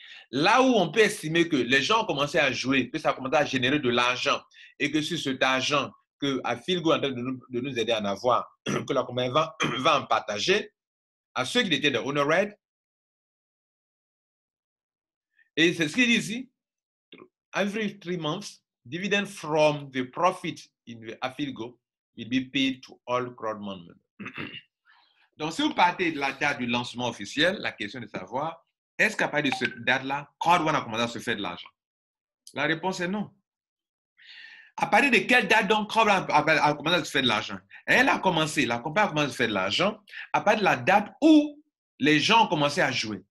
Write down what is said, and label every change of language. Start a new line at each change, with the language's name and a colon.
French: Là où on peut estimer que les gens ont commencé à jouer, que ça a commencé à générer de l'argent, et que c'est cet argent que Afilgo est en train de nous aider à en avoir, que la compagnie va en partager à ceux qui étaient des honoraires. Et c'est ce qu'il dit ici.
English: Every 3 months, dividend from the profit in the Afilgo will be paid to all crowd members.
French: Donc, si vous partez de la date du lancement officiel, la question est de savoir, est-ce qu'à partir de cette date-là, Cardone a commencé à se faire de l'argent? La réponse est non. À partir de quelle date donc Cardone a commencé à se faire de l'argent? Elle a commencé, la compagnie a commencé à se faire de l'argent à partir de la date où les gens ont commencé à jouer.